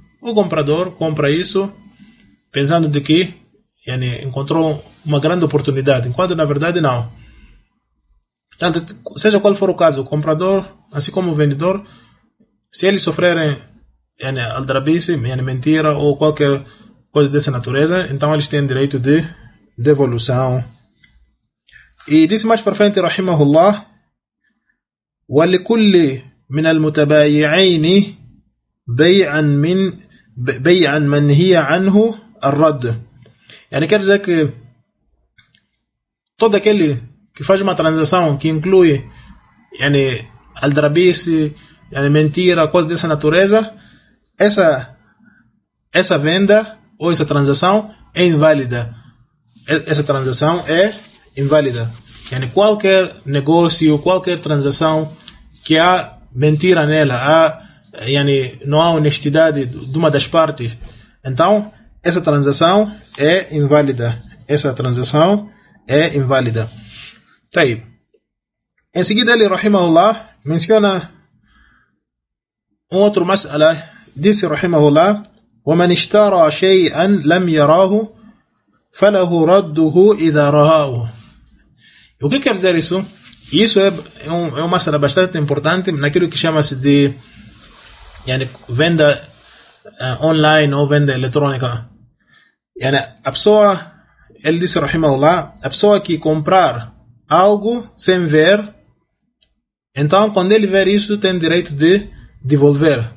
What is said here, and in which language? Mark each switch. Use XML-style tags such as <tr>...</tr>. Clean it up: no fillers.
<pt>O comprador compra isso pensando de que yani, encontrou uma grande oportunidade, enquanto na verdade não. Tanto, seja qual for o caso, o comprador, assim como o vendedor, se eles sofrerem yani, aldrabice, yani, mentira ou qualquer coisa dessa natureza, então eles têm direito de devolução. E disse mais para frente, rahimahullah,</pt> <ar>وَلِكُلِّ مِنَ الْمُتَبَايِعَيْنِ بَيْعًا مَنْ هِيَ عَنْهُ الرَّدُ.</ar> <pt>Yani, quer dizer que todo aquele que faz uma transação que inclui yani, aldrabice, yani, mentira, coisa dessa natureza, essa venda ou essa transação é inválida. Essa transação é inválida. Yani, qualquer negócio, qualquer transação que há mentira nela, não há honestidade de uma das partes, então essa transação é inválida. Essa transação é inválida. Tá aí. Em seguida, ele, rahimahullah, menciona um outro mas'ala. Disse, rahimahullah,</pt> <ar>وَمَنْ اشْتَرَى شَيْئًا لَمْ يَرَاهُ فَلَهُ رَدُّهُ إِذَا رَاهُ.</ar> <pt>O que quer dizer isso? Isso é uma mas'ala bastante importante naquilo que chama-se de yani, venda online ou venda eletrônica. Yani, a pessoa, ele disse, rahimahullah, a pessoa que comprar algo sem ver, então quando ele ver isso, tem direito de devolver.</pt>